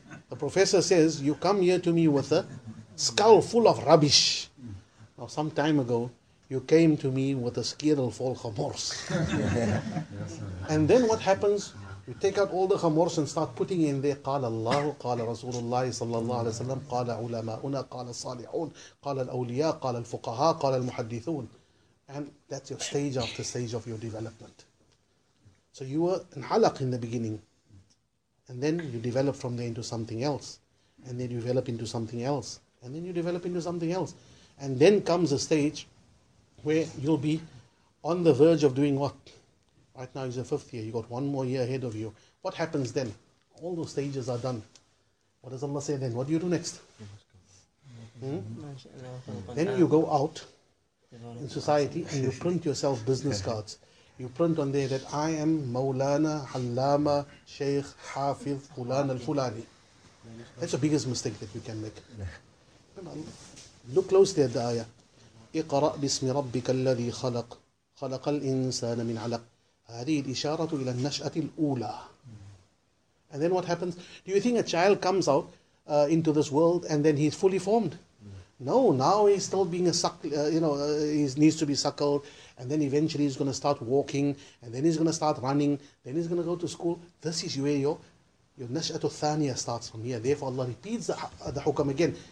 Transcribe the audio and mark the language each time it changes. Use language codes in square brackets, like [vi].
[en] The professor says, you come here to me with a skull full of rubbish. Now, some time ago, you came to me with a [af] skedel vol gemors. [en] And then what happens? You take out all the gemors and start putting in there. [ar] قال الله قال رسول الله صلى الله عليه وسلم قال علماؤنا قال الصالحون قال الأولياء قال الفقهاء قال المحدثون. [en] And that's your stage after stage of your development. So you were an halaq in the beginning. And then you develop from there into something else. And then you develop into something else. And then you develop into something else. And then comes a stage where you'll be on the verge of doing what? Right now is the fifth year. You've got one more year ahead of you. What happens then? All those stages are done. What does Allah say then? What do you do next? Then you go out in society and you print yourself business cards. You print on there that I am Mawlana, Allama, Shaykh, Hafiz, Fulan al-Fulani. That's the biggest mistake that you can make. Look closely at the ayah. [ar] اقرأ باسم ربك الذي خلق خلق الإنسان من علق. هذه الإشارة إلى النشأة الأولى. [en] And then what happens? Do you think a child comes out into this world and then he's fully formed? No, now he's still being a suck, he needs to be suckled, and then eventually he's going to start walking, and then he's going to start running, then he's going to go to school. This is where your nash'atu thaniya starts from here. Therefore Allah repeats the hukam again.